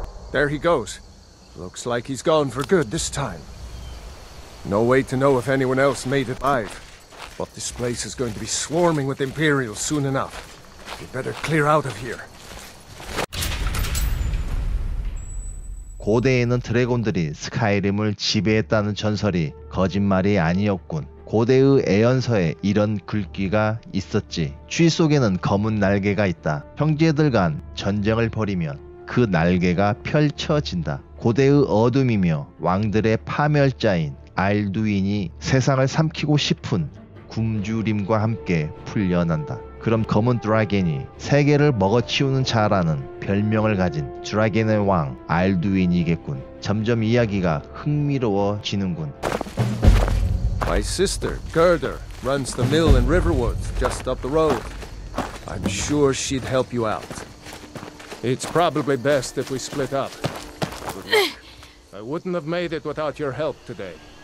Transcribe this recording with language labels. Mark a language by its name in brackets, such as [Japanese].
[English] There he goes. Looks like he's gone for good this time. No way to know if anyone else made it alive. But this place is going to be swarming with Imperials soon enough. We'd better clear out of here. [Korean] 고대에는 드래곤들이 스카이림을 지배했다는 전설이 거짓말이 아니었군. 고대의 애연서에 이런 글귀가 있었지. 쥐 속에는 검은 날개가 있다. 형제들 간 전쟁을 벌이면 그 날개가 펼쳐진다. 고대의 어둠이며 왕들의 파멸자인 알두인이 세상을 삼키고 싶은 굶주림과 함께 풀려난다. 그럼 검은 드라겐이 세계를 먹어치우는 자라는 별명을 가진 드라겐의 왕 알두인이겠군. 점점 이야기가 흥미로워지는군. [English] My sister, Gerder, runs the mill in Riverwood, just up the road. I'm sure she'd help you out. It's probably best if we split up. I wouldn't have made it without your help today.